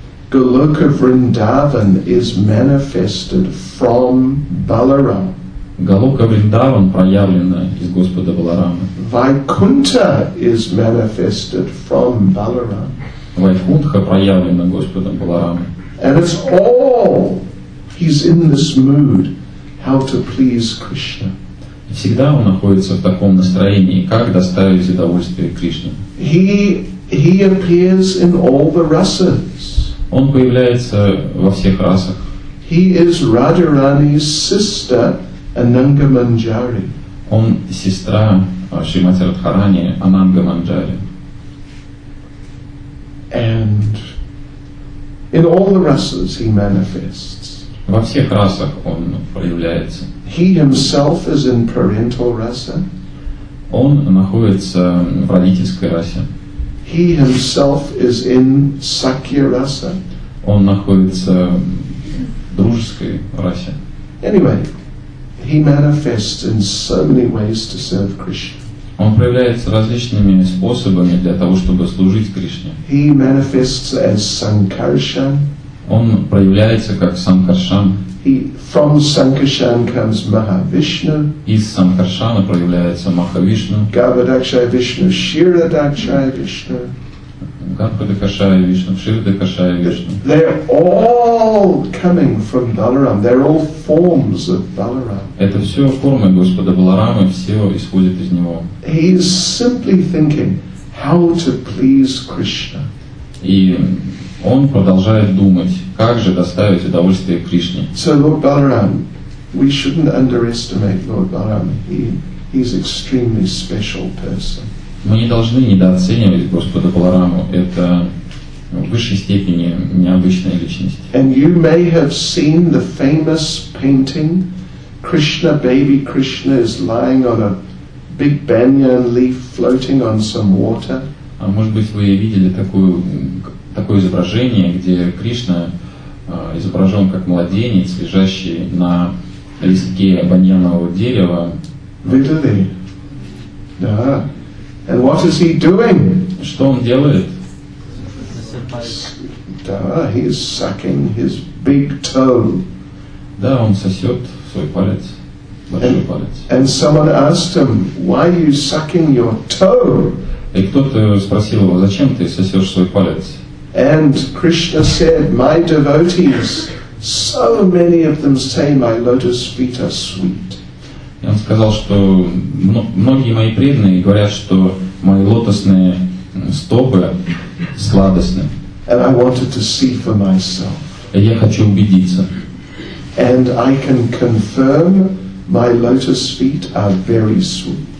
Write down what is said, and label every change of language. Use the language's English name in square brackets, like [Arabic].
[English] Goloka Vrindavan is manifested from Balaram. [Russian] Голока Вриндаван проявлена из Господа Баларамы. [English] Vaikuntha is manifested from Balaram. [Russian] Вайкунтха проявлена Господом Баларамы. [English] And it's all, he's in this mood, how to please Krishna. [Russian] Всегда он находится в таком настроении, как доставить удовольствие Кришне. [English] He appears in all the rasas. [Russian] Он появляется во всех расах. [English] He is Radharani's sister, Ananga Manjari. [Russian] Он сестра Шримати Радхарани, Ананга Манджари. [English] And in all the rasas he manifests. [Russian] Во всех расах он проявляется. [English] He himself is in parental rasa. [Russian] Он находится в родительской расе. [English] He himself is in sakya rasa. [Russian] Он находится в дружеской расе. [English] Anyway, he manifests in so many ways to serve Krishna. [Russian] Он проявляется различными способами для того, чтобы служить Кришне. [English] He manifests as Sankarshan. [Russian] Он проявляется как Sankarshan. [English] From Sankarshan comes Mahavishnu. [Russian] Из Санкаршана проявляется Махавишну. Гавадакшая Вишну, Ширадакшая Вишну. Гавадакшая Вишну, Ширадакшая Вишну. [English] They're all coming from Balaram. They're all forms of Balaram. [Russian] Это все формы Господа Баларамы, все исходят из него. [English] He is simply thinking how to please Krishna. [Russian] И он продолжает думать, как же доставить удовольствие Кришне. [English] So Lord Balaram, we shouldn't underestimate Lord Balaram. He's extremely special person. [Russian] Мы не должны недооценивать Господа Балараму. Это в высшей степени необычная личность. [English] And you may have seen the famous painting Krishna, baby Krishna is lying on a big banyan leaf floating on some water. [Russian] А может быть вы видели такое изображение, где Кришна изображен как младенец, лежащий на листке баньянового дерева. Видели? Да. [English] And what is he doing? [Russian] Что он делает? [English] Да, he is sucking his big toe. [Russian] Да, он сосет свой палец, большой палец. [English] And someone asked him, why are you sucking your toe? [Russian] И кто-то спросил его, зачем ты сосешь свой палец? [English] And Krishna said, my devotees, so many of them say my lotus feet are sweet. [Russian] сказал, что многие мои преданные говорят, что мои лотосные стопы сладостны. [English] And I wanted to see for myself. [Russian] Я хочу убедиться. [English] And I can confirm my lotus feet are very sweet.